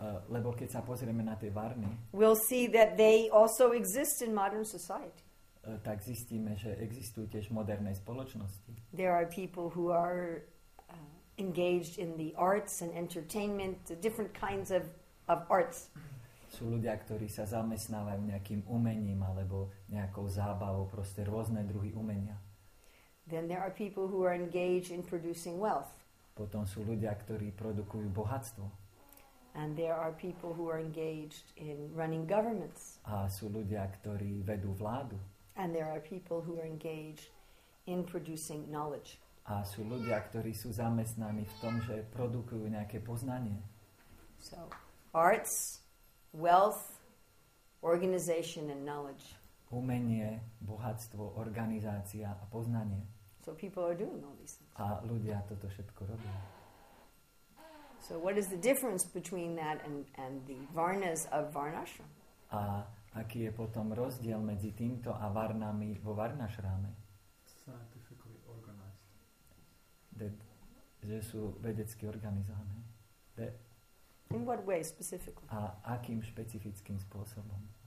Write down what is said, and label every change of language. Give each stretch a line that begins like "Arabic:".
Slovak: lebo keď sa pozrieme na tie varny,
English: we'll see that they also exist in modern society.
Slovak: Tak zistíme, že existujú tiež v modernej spoločnosti.
English: There are people who are engaged in the arts and entertainment, the different kinds of arts.
Slovak: Sú ľudia, ktorí sa zamestnávajú nejakým umením alebo nejakou zábavou, proste rôzne druhy umenia.
English: Then there are people who are engaged in producing wealth.
Slovak: Potom sú ľudia, ktorí produkujú bohatstvo.
English: And there are people who are engaged in running governments.
Slovak: A sú ľudia, ktorí vedú vládu.
English: And there are people who are engaged in producing knowledge.
Slovak: A sú ľudia, ktorí sú zamestnaní v tom, že produkujú nejaké poznanie.
English: So, arts, wealth, organization and knowledge.
Slovak: Umenie, bohatstvo, organizácia a poznanie.
English: So people are doing all these things.
Slovak: A ľudia toto všetko robia.
English: So what is the difference between that and the varnas of varnashram?
Slovak: A aký je potom rozdiel medzi týmto a varnami vo varnashrame?
English: Scientifically organized.
Slovak: Že sú vedecky organizované.
English: In what way specifically?
Slovak: A akým špecifickým spôsobom?